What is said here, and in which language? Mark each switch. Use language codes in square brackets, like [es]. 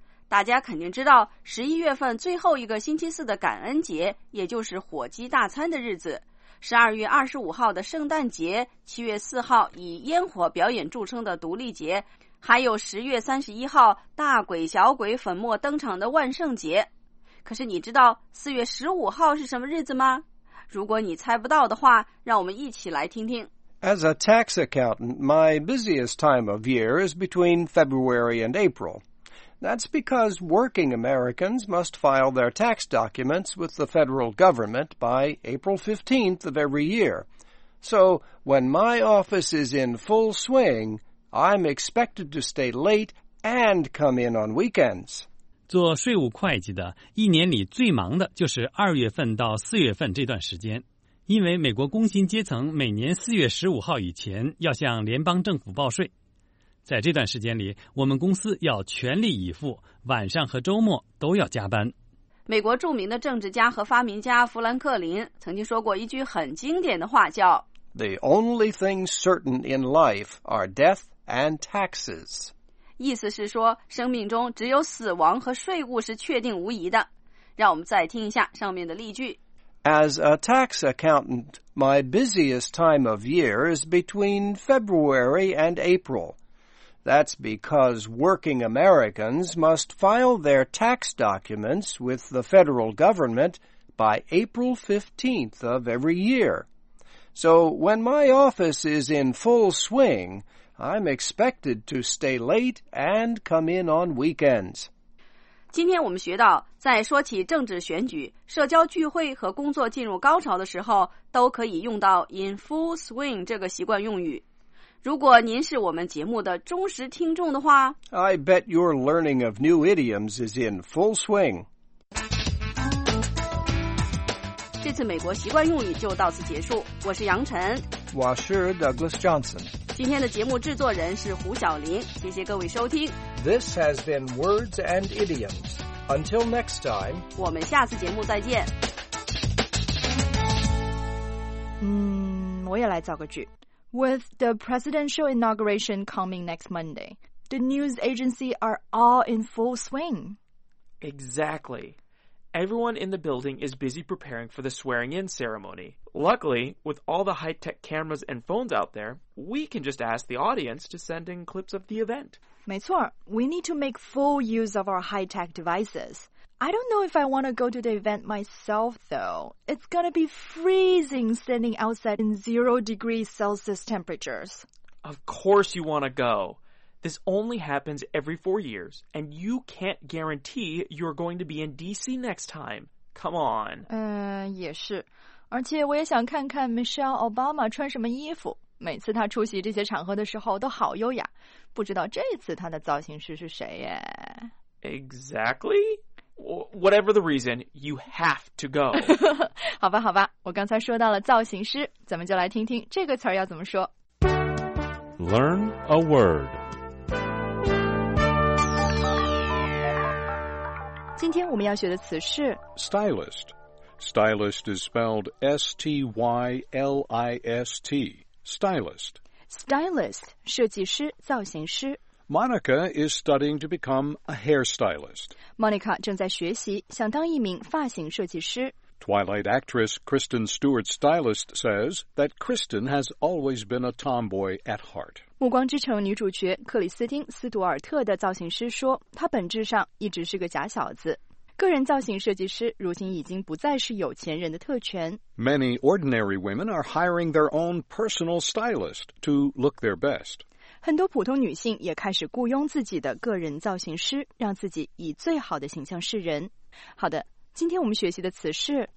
[zh] 大家肯定知道11月份最后一个星期四的感恩节，也就是火鸡大餐的日子，12月25号的圣诞节，7月4号以烟火表演著称的独立节，还有10月31号大鬼小鬼粉墨登场的万圣节。可是你知道4月15号是什么日子吗？如果你猜不到的话，让我们一起来听听。 [en] As a tax accountant, my busiest time of year is between February and April. That's because working Americans must file their tax documents with the federal government by April 15th of every year. So, when my office is in full swing, I'm expected to stay late and come in on weekends. [zh] 做税务会计的一年里最忙的就是二月份到四月份这段时间，因为美国工薪阶层每年4月15号以前要向联邦政府报税。在这段时间里，我们公司要全力以赴，晚上和周末都要加班。美国著名的政治家和发明家富兰克林曾经说过一句很经典的话，叫 [en] The only things certain in life are death and taxes. [zh] 意思是说，生命中只有死亡和税务是确定无疑的。让我们再听一下上面的例句。 [en] As a tax accountant, my busiest time of year is between February and April. That's because working Americans must file their tax documents with the federal government by April 15th of every year. So when my office is in full swing,I'm expected to stay late and come in on weekends. [zh] 今天我们学到，在说起政治选举、社交聚会和工作进入高潮的时候，都可以用到 [en] in full swing [zh] 这个习惯用语。如果您是我们节目的忠实听众的话， [en] I bet your learning of new idioms is in full swing. [zh] 这次美国习惯用语就到此结束，我是杨晨。我是 Douglas Johnson。今天的节目制作人是胡晓林，谢谢各位收听。 [en] This has been Words and Idioms. Until next time. [zh] 我们下次节目再见。我也来造个句。 [en] With the presidential inauguration coming next Monday, the news agency are all in full swing. Exactly. Everyone in the building is busy preparing for the swearing-in ceremony. Luckily, with all the high-tech cameras and phones out there, we can just ask the audience to send in clips of the event. [zh] 没错 [en] we need to make full use of our high-tech devices. I don't know if I want to go to the event myself, though. It's going to be freezing standing outside in 0°C temperatures. Of course you want to go. This only happens every 4 years, and you can't guarantee you're going to be in D.C. next time. Come on. [zh] 也是。而且我也想看看 Michelle Obama 穿什么衣服，每次她出席这些场合的时候都好优雅，不知道这次她的造型师是谁耶。 [en] Exactly? Whatever the reason, you have to go. [zh] 好吧好吧，我刚才说到了造型师，咱们就来听听这个词儿要怎么说。 [en] Learn a word. [zh] 今天我们要学的词是 [en] Stylist. Stylist is spelled S-T-Y-L-I-S-T, stylist. [zh] Stylist, 设计师、造型师。 [en] Monica is studying to become a hairstylist. [zh] Monica 正在学习，想当一名发型设计师。 [en] Twilight actress Kristen Stewart's stylist says that Kristen has always been a tomboy at heart. [zh] 暮光之城女主角克里斯汀·斯图尔特的造型师说，她本质上一直是个假小子。个人造型设计师如今已经不再是有钱人的特权。 [en] Many ordinary women are hiring their own personal stylist to look their best. [zh] 很多普通女性也开始雇佣自己的个人造型师，让自己以最好的形象示人。好的，今天我们学习的词是